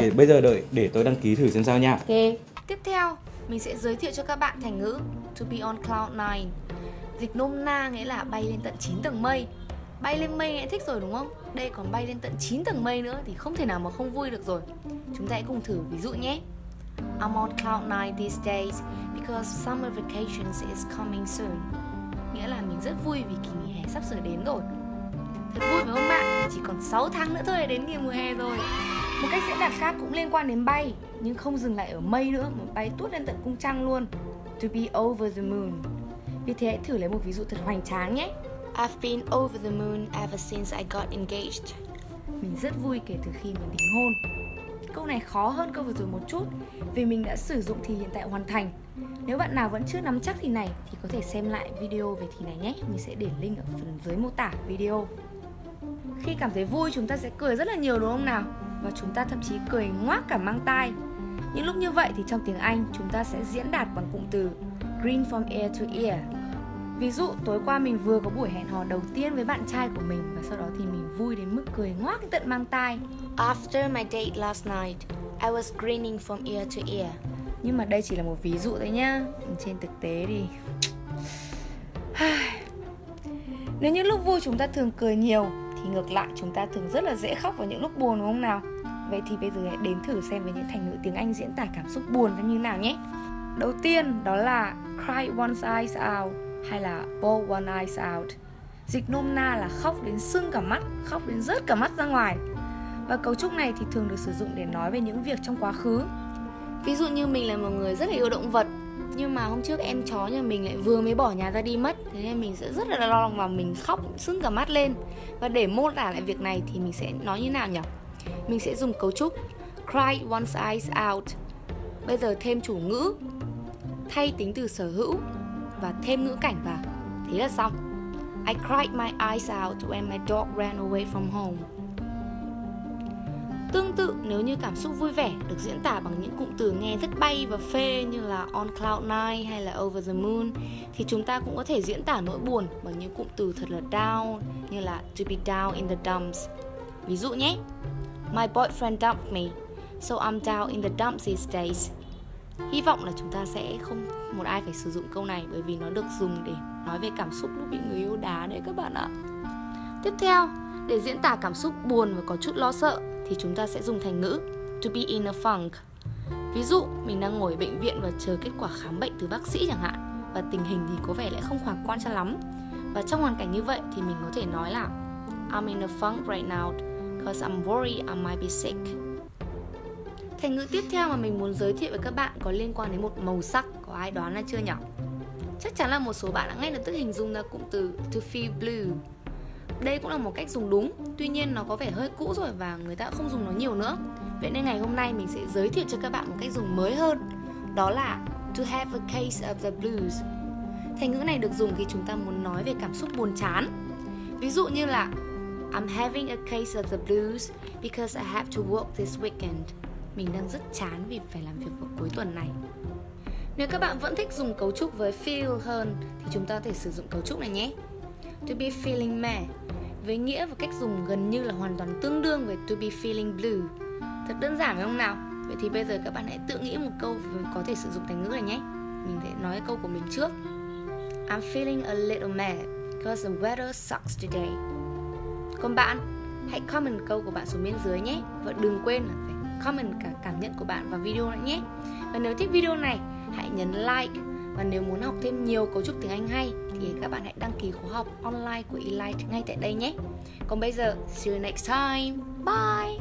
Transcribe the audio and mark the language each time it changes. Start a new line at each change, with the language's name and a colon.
Vietnamese: Để bây giờ đợi, để tôi đăng ký thử xem sao nha. Ok. Tiếp theo, mình sẽ giới thiệu cho các bạn thành ngữ
English: to be on cloud 9.
Vietnamese: Dịch nôm na nghĩa là bay lên tận 9 tầng mây. Bay lên mây nghĩa thích rồi đúng không? Đây còn bay lên tận 9 tầng mây nữa thì không thể nào mà không vui được rồi. Chúng ta hãy cùng thử ví dụ nhé.
English: I'm on cloud 9 these days because summer vacation is coming soon.
Vietnamese: Nghĩa là mình rất vui vì kỳ nghỉ hè sắp sửa đến rồi. Thật vui với ông bạn, chỉ còn 6 tháng nữa thôi là đến kỳ mùa hè rồi. Một cách diễn đạt khác cũng liên quan đến bay, nhưng không dừng lại ở mây nữa mà bay tuốt lên tận cung trăng luôn.
English: To be over the moon.
Vietnamese: Vì thế hãy thử lấy một ví dụ thật hoành tráng nhé.
English: I've been over the moon ever since I got engaged.
Vietnamese: Mình rất vui kể từ khi mình đính hôn. Câu này khó hơn câu vừa rồi một chút vì mình đã sử dụng thì hiện tại hoàn thành. Nếu bạn nào vẫn chưa nắm chắc thì này thì có thể xem lại video về thì này nhé. Mình sẽ để link ở phần dưới mô tả video. Khi cảm thấy vui chúng ta sẽ cười rất là nhiều đúng không nào? Và chúng ta thậm chí cười ngoác cả mang tai. Những lúc như vậy thì trong tiếng Anh chúng ta sẽ diễn đạt bằng cụm từ
English: grin from ear to ear.
Vietnamese: Ví dụ tối qua mình vừa có buổi hẹn hò đầu tiên với bạn trai của mình và sau đó thì mình vui đến mức cười ngoác tận mang tai.
English: After my date last night, I was grinning from ear to ear.
Vietnamese: Nhưng mà đây chỉ là một ví dụ thôi nhá. Trên thực tế thì nếu như lúc vui chúng ta thường cười nhiều thì ngược lại chúng ta thường rất là dễ khóc vào những lúc buồn đúng không nào? Vậy thì bây giờ hãy đến thử xem với những thành ngữ tiếng Anh diễn tả cảm xúc buồn nó như nào nhé. Đầu tiên đó là
English: cry one's eyes out
Vietnamese: hay là
English: bawl one eyes out.
Vietnamese: Dịch nôm na là khóc đến sưng cả mắt, khóc đến rớt cả mắt ra ngoài. Và cấu trúc này thì thường được sử dụng để nói về những việc trong quá khứ. Ví dụ như mình là một người rất là yêu động vật, nhưng mà hôm trước em chó nhà mình lại vừa mới bỏ nhà ra đi mất. Thế nên mình sẽ rất là lo lắng và mình khóc sưng cả mắt lên. Và để mô tả lại việc này thì mình sẽ nói như nào nhỉ? Mình sẽ dùng cấu trúc
English: cry one's eyes out.
Vietnamese: Bây giờ thêm chủ ngữ, thay tính từ sở hữu và thêm ngữ cảnh vào. Thế là xong.
English: I cried my eyes out when my dog ran away from home.
Vietnamese: Tương tự, nếu như cảm xúc vui vẻ được diễn tả bằng những cụm từ nghe rất bay và phê như là
English: on cloud nine
Vietnamese: hay là
English: over the moon,
Vietnamese: thì chúng ta cũng có thể diễn tả nỗi buồn bằng những cụm từ thật là down như là
English: to be down in the dumps.
Vietnamese: Ví dụ nhé,
English: my boyfriend dumped me, so I'm down in the dumps these days.
Vietnamese: Hy vọng là chúng ta sẽ không một ai phải sử dụng câu này, bởi vì nó được dùng để nói về cảm xúc lúc bị người yêu đá đấy các bạn ạ. Tiếp theo, để diễn tả cảm xúc buồn và có chút lo sợ thì chúng ta sẽ dùng thành ngữ
English: to be in a funk.
Vietnamese: Ví dụ, mình đang ngồi ở bệnh viện và chờ kết quả khám bệnh từ bác sĩ chẳng hạn, và tình hình thì có vẻ lại không khả quan cho lắm. Và trong hoàn cảnh như vậy thì mình có thể nói là
English: I'm in a funk right now because I'm worried I might be sick.
Vietnamese: Thành ngữ tiếp theo mà mình muốn giới thiệu với các bạn có liên quan đến một màu sắc, có ai đoán ra chưa nhỉ? Chắc chắn là một số bạn đã ngay lập tức hình dung ra cụm từ
English: to feel blue.
Vietnamese: Đây cũng là một cách dùng đúng, tuy nhiên nó có vẻ hơi cũ rồi và người ta không dùng nó nhiều nữa. Vậy nên ngày hôm nay mình sẽ giới thiệu cho các bạn một cách dùng mới hơn, đó là
English: to have a case of the blues.
Vietnamese: Thành ngữ này được dùng khi chúng ta muốn nói về cảm xúc buồn chán. Ví dụ như là
English: I'm having a case of the blues because I have to work this weekend.
Vietnamese: Mình đang rất chán vì phải làm việc vào cuối tuần này. Nếu các bạn vẫn thích dùng cấu trúc với feel hơn thì chúng ta có thể sử dụng cấu trúc này nhé.
English: To be feeling meh,
Vietnamese: với nghĩa và cách dùng gần như là hoàn toàn tương đương với
English: to be feeling blue.
Vietnamese: Thật đơn giản phải không nào? Vậy thì bây giờ các bạn hãy tự nghĩ một câu có thể sử dụng thành ngữ này nhé. Mình sẽ nói câu của mình trước.
English: I'm feeling a little meh because the weather sucks today.
Vietnamese: Còn bạn, hãy comment câu của bạn xuống bên dưới nhé. Và đừng quên là phải comment cả cảm nhận của bạn vào video nữa nhé. Và nếu thích video này, hãy nhấn like. Và nếu muốn học thêm nhiều cấu trúc tiếng Anh hay thì các bạn hãy đăng ký khóa học online của Elite ngay tại đây nhé. Còn bây giờ,
English: see you next time. Bye!